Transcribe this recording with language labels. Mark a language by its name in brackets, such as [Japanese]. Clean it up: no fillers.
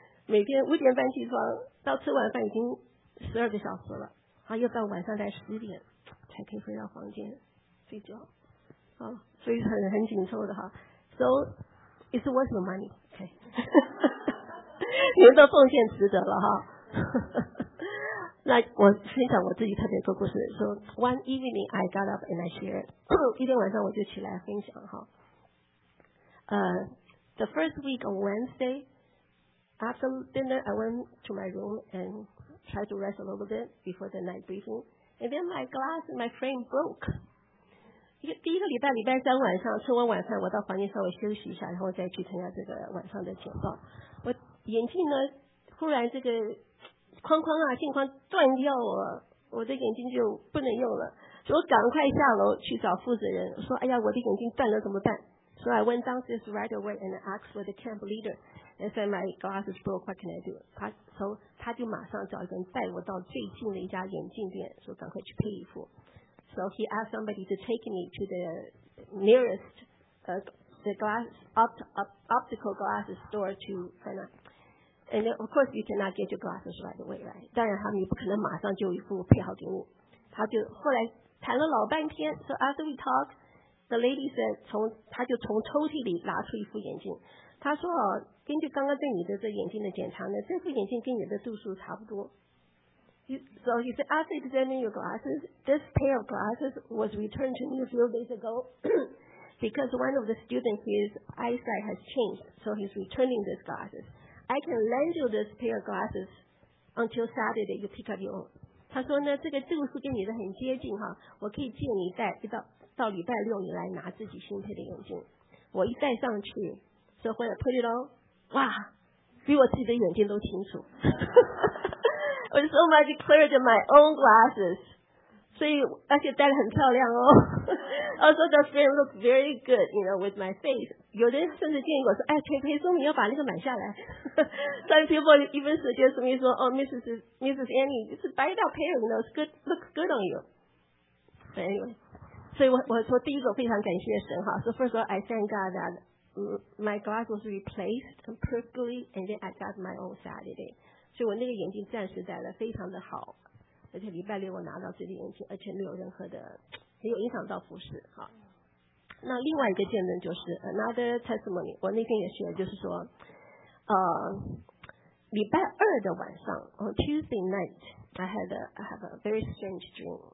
[Chinese] 每天五点半起床，到吃晚饭已经十二个小时了，然后又到晚上才十点。才可以回到房间睡觉，所以很紧凑的哈。 [English] So it's worth the money. [Chinese] OK， 你们的奉献值得了哈。那我分享我自己特别做故事。 [English] So one evening I got up and I shared. [Chinese] 一天晚上我就起来分享哈。 [English] The first week on Wednesday, after dinner, I went to my room and tried to rest a little bit before the night briefing. And then my glass, my frame broke. [Chinese] 第一个礼拜，礼拜三晚上吃完晚饭，我到房间稍微休息一下，然后再去参加这个晚上的简报。我眼镜呢，忽然这个框框啊镜框断掉了，我的眼镜就不能用了。所以我赶快下楼去找负责人，说：“哎呀，我的眼镜断了，怎么办？” [English] So I went downstairs right away and asked for the camp leader. And said, "My glasses broke. What can I do?" [Chinese] 他就马上找人带我到最近的一家眼镜店，说赶快去配衣服。 [English] So he asked somebody to take me to the nearest the glass optical glasses store to find out. And then, of course, you cannot get your glasses right away, right? [Chinese] 当然，他们也不可能马上就一副配好给你。他就后来谈了老半天。 [English] So after we talked, the lady said, [Chinese] 他就从抽屉里拿出一副眼镜。他说哦，根据刚刚对你的这眼镜的检查呢，这副眼镜跟你的度数差不多。 [English] So he said, after examining your glasses, this pair of glasses was returned to me a few days ago because one of the students, his eyesight has changed, so he's returning these glasses. I can lend you this pair of glasses until Saturday you pick up your own. [Chinese] 他说呢，这个度数跟你的很接近哈，我可以借你戴，到礼拜六你来拿自己新配的眼镜。我一戴上去。 [English] So when I put it on, [Chinese] 哇，比我自己的眼睛都清楚。 [English] I was so much clearer than my own glasses. [Chinese] 所以而且戴得很漂亮哦。 [English] Also the frame looks very good, you know, with my face. [Chinese] 有人甚至建议我说，哎，陈培松，你要把那个买下来。 [English] Some people even suggest me 说，哦 ，Mrs. Annie, you should buy that pair, you know, it's good, looks good on you. But anyway, [Chinese] 所以我说第一个非常感谢神哈。 [English] So first of all, I thank God that. My glass was replaced perfectly, and then I got my own Saturday. [Chinese] 所以我那个眼镜暂时戴了非常的好，而且礼拜六我拿到这个眼镜，而且没有任何的没有影响到服饰。好，那另外一个见证就是 [English] another testimony. [Chinese] 我那天也学了，就是说，礼拜二的晚上 [English] on Tuesday night, I have a very strange dream.